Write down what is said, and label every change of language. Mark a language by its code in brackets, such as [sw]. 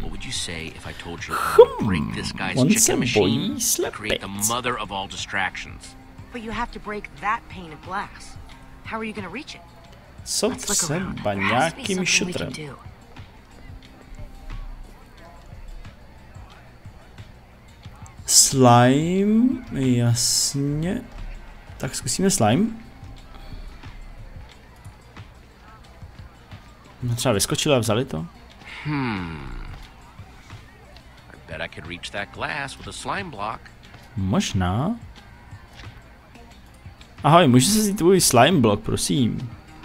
[en] What would you say if I told you break this guy's chicken machine? Create the mother of all distractions. But you have to break that pane of glass. How are you going to reach it? [cs] Co třeba nějakým šutrem? Slime, jasně. Tak zkusíme slime. No třeba vyskočili a vzali to. [en] I bet I could reach that glass with a slime block. [cs] Možná. Ahoj, můžu se vzít tvůj slime blok, prosím.